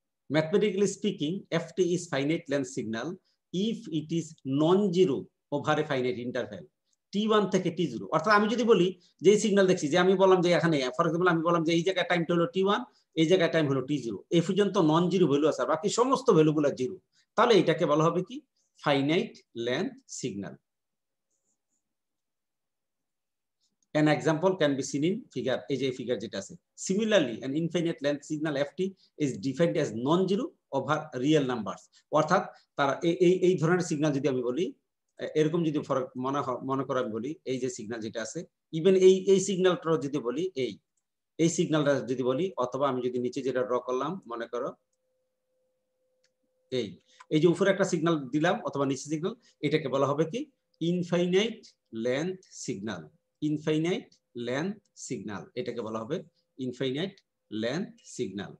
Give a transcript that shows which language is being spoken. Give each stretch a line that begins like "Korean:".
English: Mathematically speaking, FT is finite length signal if it is non-zero over a finite interval.
Bangla: T1 থেকে T0, অর্থাৎ আমি যদি বলি যে এই সিগন্যাল দেখছি যে আমি বললাম যে এখানে ফর এক্সাম্পল আমি বললাম যে এই জায়গায় টাইমটা হলো T1, এই জায়গায় টাইম হলো T0, এই পর্যন্ত নন জিরো ভ্যালু আছে আর বাকি সমস্ত ভ্যালুগুলো জিরো, তাহলে এটাকে বলা হবে কি finite length signal.
English: An example can be seen in figure,
Bangla: এই যে figure যেটা আছে।
English: Similarly, an infinite length signal FT is defined as non-zero over real numbers.
Bangla: অর্থাৎ তার এই এই ধরনের সিগন্যাল যদি আমি বলি, এরকম যদি ফরক মনে করে আমি বলি এই যে সিগন্যাল যেটা আছে, ইভেন এই এই সিগন্যালটা যদি বলি, এই এই সিগন্যালটা যদি বলি, অথবা আমি যদি নিচে যেটা ড্র করলাম মনে করো এই এই যে উপরে একটা সিগন্যাল দিলাম অথবা নিচে সিগন্যাল, এটাকে বলা হবে কি infinite length signal, infinite length signal, এটাকে বলা হবে ইনফাইনাইট লেন্থ সিগন্যাল।